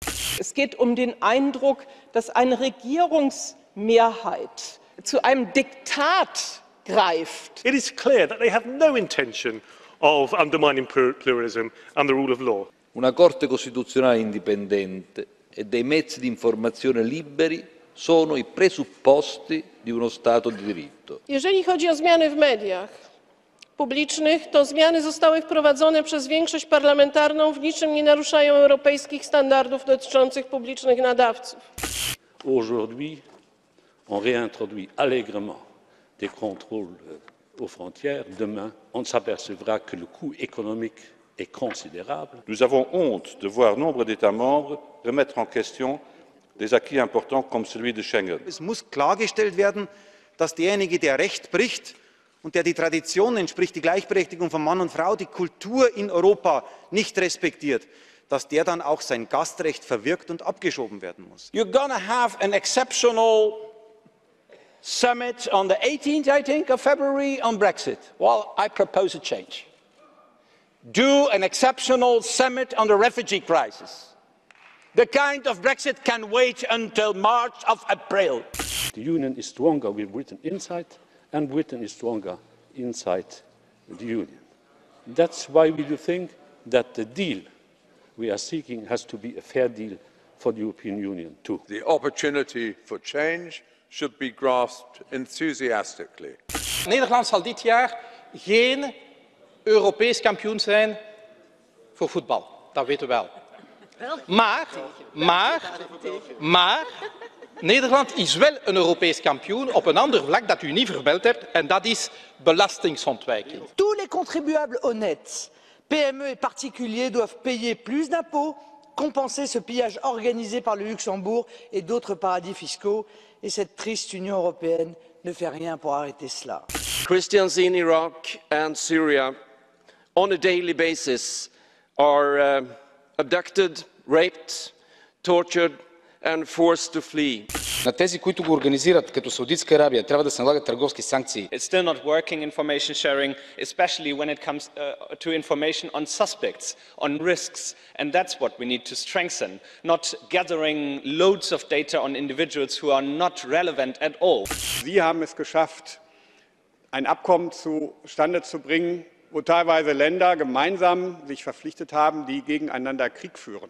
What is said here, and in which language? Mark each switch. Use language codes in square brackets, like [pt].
[de] Es geht um den Eindruck, dass eine Regierungsmehrheit zu einem Diktat greift. [en] It is clear that they have no intention of undermining pluralism and the rule of law. [it] Una corte costituzionale indipendente e dei mezzi di informazione liberi sono i presupposti di uno Stato di diritto. [pl] Jeżeli chodzi o zmiany w mediach publicznych, to zmiany zostały wprowadzone przez większość parlamentarną, w niczym nie naruszają europejskich standardów dotyczących publicznych nadawców. [fr] Aujourd'hui, on réintroduit allègrement des contrôles aux frontières. Demain, on s'apercevra que le coût économique est considérable. Nous avons honte de voir nombre d'États membres remettre en question des acquis importants comme celui de Schengen. [de] Es muss klargestellt werden, dass derjenige, der Recht bricht und der die Tradition entspricht, die Gleichberechtigung von Mann und Frau, die Kultur in Europa nicht respektiert, dass der dann auch sein Gastrecht verwirkt und abgeschoben werden muss. [en] You're gonna have an exceptional summit on the 18th, I think, of February on Brexit. Well, I propose a change. Do an exceptional summit on the refugee crisis. The kind of Brexit can wait until March of April. The Union is stronger with Britain inside, and Britain is stronger inside the Union. That's why we do think that the deal we are seeking has to be a fair deal for the European Union too. The opportunity for change should be grasped enthusiastically. [nl] Nederland zal dit jaar geen Europees kampioen zijn voor voetbal. Dat weten we wel. Maar Nederland is wel een Europees kampioen op een ander vlak dat u niet verbeld hebt, en dat is belastingsontwijking. [fr] Tous les contribuables honnêtes, PME et particuliers, doivent payer plus d'impôts, compenser ce pillage organisé par le Luxembourg et d'autres paradis fiscaux. Et cette triste Union européenne ne fait rien pour arrêter cela. [en] Christians in Iraq and Syria, on a daily basis, are abducted, raped, tortured, and forced to flee. [bg] На тези, които го организират като Саудитска Арабия, трябва да се налагат търговски санкции. [en] It's still not working, information sharing, especially when it comes to information on suspects, on risks, and that's what we need to strengthen, not gathering loads of data on individuals who are not relevant at all. [de] Sie haben es geschafft, ein Abkommen zustande zu bringen, wo teilweise Länder gemeinsam sich verpflichtet haben, die gegeneinander Krieg führen.